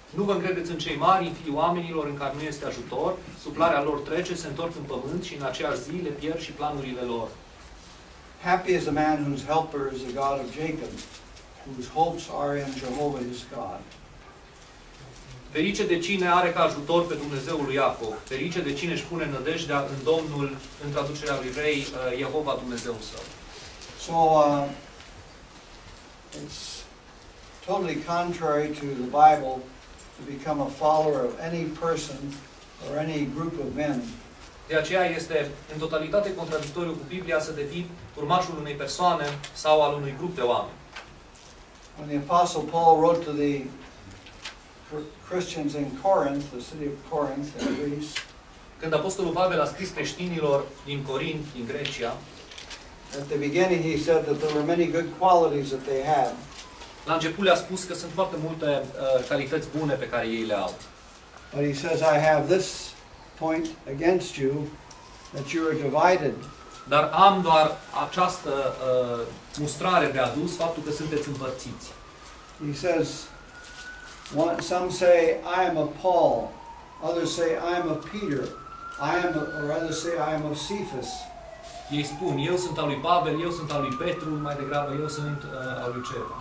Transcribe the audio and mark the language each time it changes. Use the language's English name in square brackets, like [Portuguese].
[Romanian] Nu vă încredeți în cei mari, în fiii oamenilor în care nu este ajutor, suplarea lor trece, se întorc în pământ și în aceeași zi le pierd și planurile lor. [English] Happy is the man whose helper is the God of Jacob, whose hopes are in Jehovah his God. [Romanian] Ferice de cine are ca ajutor pe Dumnezeul lui Iacov, ferice de cine își pune nădejdea în Domnul, în traducerea lui Rei, Jehova Dumnezeu său. [English] So, it's totally contrary to the Bible to become a follower of any person or any group of men. [Romanian] De aceea este în totalitate contradictoriu cu Biblia să devii urmașul unei persoane sau al unui grup de oameni. [English] When the Apostle Paul wrote to the Christians in Corinth, the city of Corinth in Greece, [Romanian] când Apostolul Pavel a scris creștinilor din Corint, din Grecia, [English] at the beginning he said that there were many good qualities that they had. [Romanian] La început a spus că sunt foarte multe calități bune pe care ei le au. [English] But he says, I have this point against you, that you are divided. [Romanian] Dar am doar această mustrare de adus, faptul că sunteți împărțiți. [English] He says, some say, I am of Paul. Others say, I am of Peter. I am of Cephas. [Romanian] Ei spun, eu sunt al lui Pavel, eu sunt al lui Petru, mai degrabă, eu sunt al lui Cefa.